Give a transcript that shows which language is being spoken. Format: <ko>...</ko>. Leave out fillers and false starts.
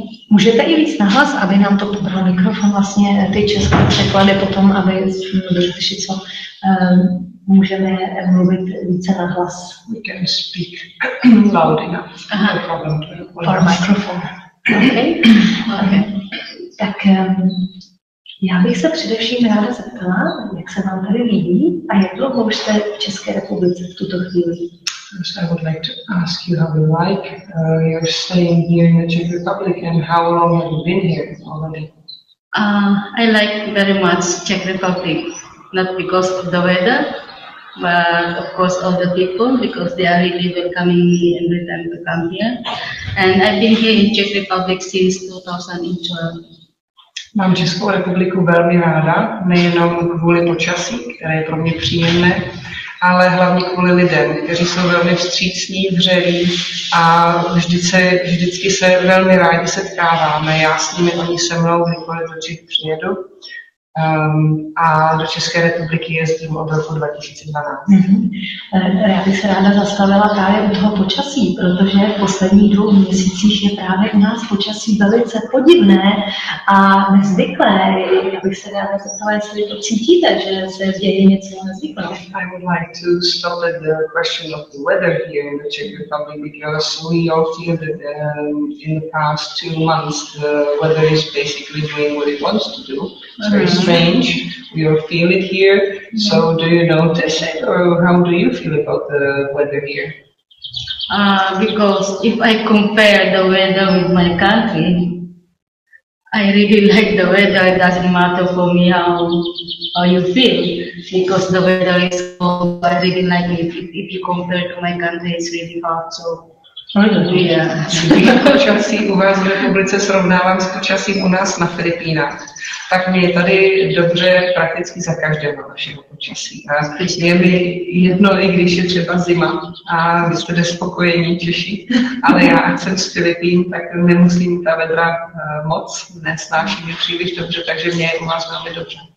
<cs>Můžete i víc nahlas, aby nám to podal mikrofon, vlastně ty české překlady potom, aby byli slyšet, co můžeme mluvit více nahlas.</cs> <en>We can speak loud enough. For microphone. Okay.</en> <cs>Tak já bych se především ráda zeptala, jak se vám tady líbí a jak dlouho už jste v České republice v tuto chvíli.</cs> <en>So I would like to ask you how you like your staying here in the Czech Republic and how long have you been here already? I like very much Czech Republic, not because of the weather, but of course all the people, because they are really welcoming me every time to come here. And I've been here in Czech Republic since 2012.</en> <cs>Mám Českou republiku velmi ráda, nejenom kvůli počasí, které je pro mě příjemné, ale hlavně kvůli lidem, kteří jsou velmi vstřícní, vřelí a vždycky se velmi rádi setkáváme. Já s nimi, oni se mnou, kdykoliv do Čech přijedu a do České republiky jezdím od roku 2012. Mm-hmm. Já bych se ráda zastavila právě u toho počasí, protože v posledních dvou měsících je právě u nás počasí velice podivné a nezvyklé. Já bych se ráda zeptala, jestli to cítíte, že se děje něco nezvyklého. I would like to stop at the question of the weather here in the Czech Republic, because we all feel that in the past two months the weather is basically doing what it wants to do. Strange. We all feel it here. So, do you notice it, or how do you feel about the weather here? Because if I compare the weather with my country, I really like the weather. It doesn't matter for me how you feel, because the weather is cold. I really like it. If you compare to my country, it's really hot. So. Když počasí u vás v republice srovnávám s počasím u nás na Filipínách, tak mi je tady dobře prakticky za každého našeho počasí. A je mi jedno, i když je třeba zima a vy jste nespokojení Češi, ale já, ať jsem z Filipín, tak nemusím ta vedra moc, nesnáším je příliš dobře, takže mě je u vás velmi dobře.</cs>